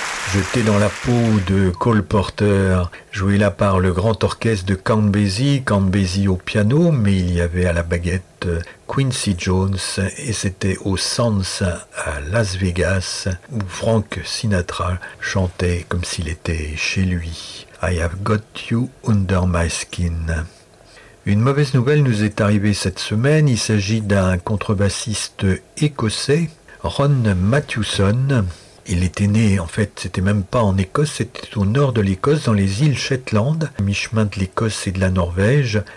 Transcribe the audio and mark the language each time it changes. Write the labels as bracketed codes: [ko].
[fr] J'étais dans la peau de Cole Porter, joué là par le grand orchestre de Count Basie, Count Basie au piano, mais il y avait à la baguette Quincy Jones, et c'était au Sands à Las Vegas, où Frank Sinatra chantait comme s'il était chez lui. [en] I have got you under my skin. [fr] Une mauvaise nouvelle nous est arrivée cette semaine, il s'agit d'un contrebassiste écossais, Ron Mathewson. Il était né, en fait, c'était même pas en Écosse, c'était au nord de l'Écosse, dans les îles Shetland, à mi-chemin de l'Écosse et de la Norvège.